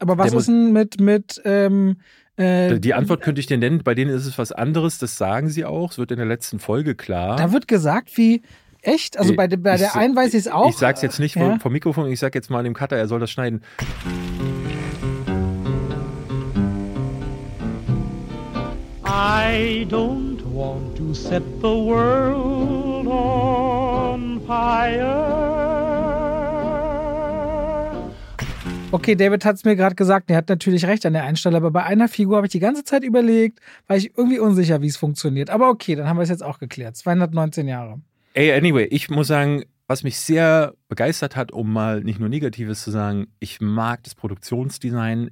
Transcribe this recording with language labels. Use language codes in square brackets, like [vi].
[de] Aber was ist denn Die Antwort könnte ich dir nennen, bei denen ist es was anderes, das sagen sie auch, es wird in der letzten Folge klar. Da wird gesagt, wie, echt? Also bei der einen weiß ich es auch. Ich sag's jetzt nicht vom Mikrofon, ich sag jetzt mal dem Cutter, er soll das schneiden. [en] I don't want to set the world on fire. [de] Okay, David hat es mir gerade gesagt, er hat natürlich recht an der einen Stelle, aber bei einer Figur habe ich die ganze Zeit überlegt, war ich irgendwie unsicher, wie es funktioniert. Aber okay, dann haben wir es jetzt auch geklärt. 219 Jahre. Ey, anyway, ich muss sagen, was mich sehr begeistert hat, um mal nicht nur Negatives zu sagen, ich mag das Produktionsdesign.